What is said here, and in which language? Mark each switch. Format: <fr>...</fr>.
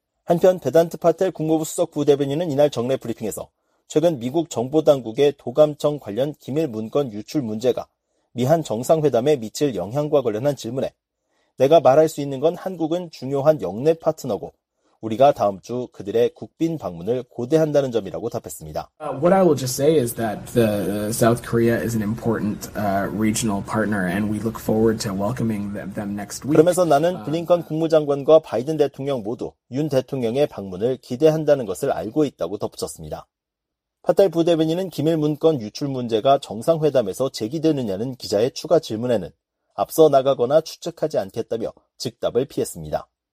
<ko>한편 베단트 파텔 국무부 수석 부대변인은 이날 정례 브리핑에서 최근 미국 정보당국의 도감청 관련 기밀 문건 유출 문제가 미한 정상회담에 미칠 영향과 관련한 질문에 내가 말할 수 있는 건 한국은 중요한 영내 파트너고 우리가 다음 주 그들의 국빈 방문을 고대한다는 점이라고 답했습니다.</ko> <en>What I will just say is that the South Korea is an important regional partner and we look forward to welcoming them next week.</en> <ko>그러면서 나는 블링컨 국무장관과 바이든 대통령 모두 윤 대통령의 방문을 기대한다는 것을 알고 있다고 덧붙였습니다. 파탈 부대변인은 기밀 문건 유출 문제가 정상회담에서 제기되느냐는 기자의 추가 질문에는 앞서 나가거나 추측하지 않겠다며 즉답을 피했습니다.</ko>